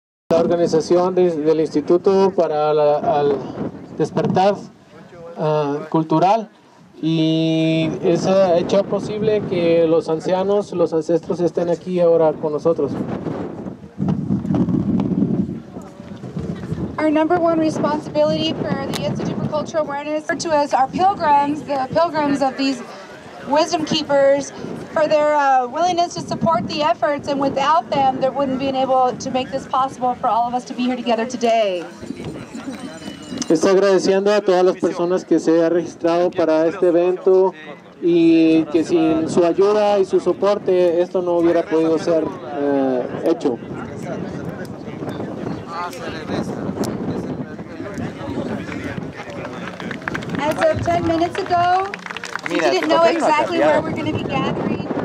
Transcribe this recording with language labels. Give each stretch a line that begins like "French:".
Spanish: La organización del Instituto para el Despertar Cultural, y eso ha hecho posible que los ancianos, los ancestros estén aquí ahora con nosotros.
English: Our number one responsibility for the Institute for Cultural Awareness, referred to as our pilgrims, the pilgrims of these wisdom keepers, for their willingness to support the efforts, and without them, there wouldn't be able to make this possible for all of us to be here together today.
Spanish: Estoy agradeciendo a todas las personas que se han registrado para este evento y que sin su ayuda y su soporte, esto no hubiera podido ser hecho.
English: As of 10 minutes ago, we didn't know exactly where we're going to be gathering.